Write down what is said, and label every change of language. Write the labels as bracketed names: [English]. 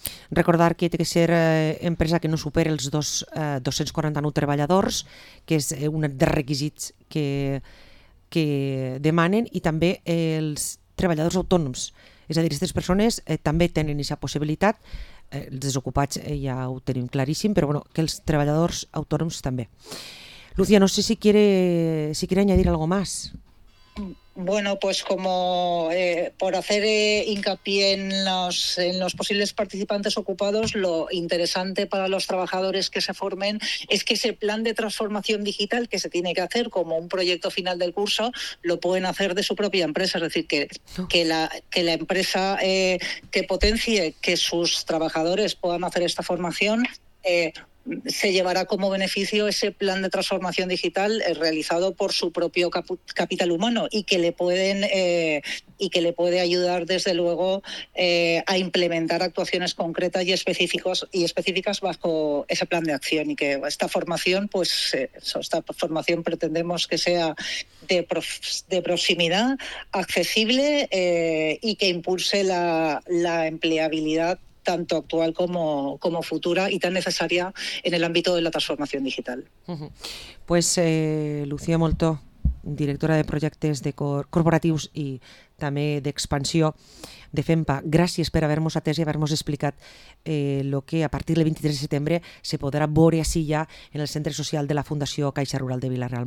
[Catalan] Recordar que ha de ser empresa que no superi els 249 treballadors, que és un dels requisits que demanen, i també els treballadors autònoms. És a dir, aquestes persones també tenen aquesta possibilitat, els desocupats ja ho tenim claríssim, però bueno, que els treballadors autònoms també. [Spanish] Lucía, no sé si quiere añadir algo más. Bueno, pues como por hacer hincapié en los posibles participantes ocupados, lo interesante para los trabajadores que se formen es que ese plan de transformación digital que se tiene que hacer como un proyecto final del curso lo pueden hacer de su propia empresa. Es decir, que la empresa que potencie que sus trabajadores puedan hacer esta formación se llevará como beneficio ese plan de transformación digital realizado por su propio capital humano y que le pueden y que le puede ayudar desde luego a implementar actuaciones concretas y específicas bajo ese plan de acción. Y que esta formación, pues esta formación pretendemos que sea de proximidad, accesible y que impulse la empleabilidad tanto actual como futura y tan necesaria en el ámbito de la transformación digital. [Catalan] Pues Lucía Moltó, directora de projectes de corporatius i també d'expansió de FEMPA, gràcies per haver-nos atès i haver-nos explicat el que a partir del 23 de setembre se podrà veure així ja en el centre social de la Fundació Caixa Rural de Vila-real.